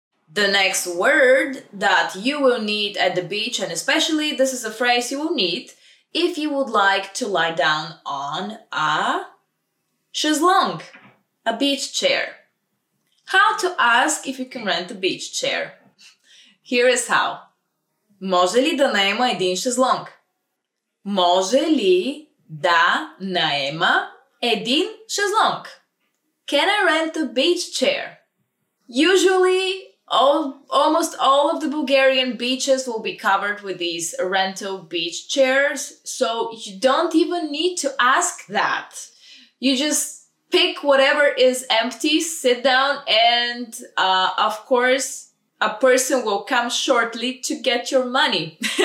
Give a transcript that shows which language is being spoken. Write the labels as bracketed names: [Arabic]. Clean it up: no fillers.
[English] The next word that you will need at the beach, and especially this is a phrase you will need if you would like to lie down on a shezlong, a beach chair. How to ask if you can rent a beach chair? Here is how. [Bulgarian] Може ли да наема един шезлонг? Може ли да наема един шезлонг? [English] Can I rent a beach chair? Usually, almost all of the Bulgarian beaches will be covered with these rental beach chairs, so you don't even need to ask that. You just pick whatever is empty, sit down, and of course, a person will come shortly to get your money.